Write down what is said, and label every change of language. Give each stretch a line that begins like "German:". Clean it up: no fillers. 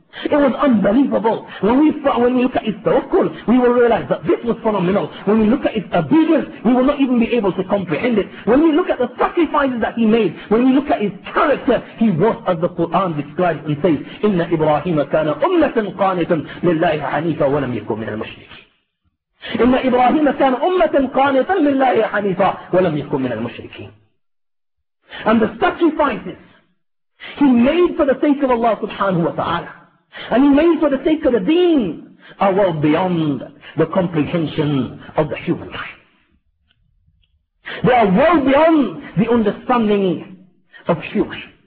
English: It was unbelievable. When we look at his tawakkul, we will realize that this was phenomenal. When we look at his obedience, we will not even be able to comprehend it. When we look at the sacrifices that he made, when we look at his character, he was, as the Quran describes and says,
Arabic: إِنَّ إِبْرَاهِيمَ كَانَ أُمَّةً قَانِتًا لِلَّهِ حَنِيفًا وَلَمْ يَكُنْ مِنَ الْمُشْرِكِينَ. إن إبراهيم كان أمة قانتا لله حنيفا ولم يكن من المشركين.
English: And the sacrifices he made for the sake of Allah subhanahu wa ta'ala, and he made for the sake of the deen, are well beyond the comprehension of the human mind. They are well beyond the understanding of humans.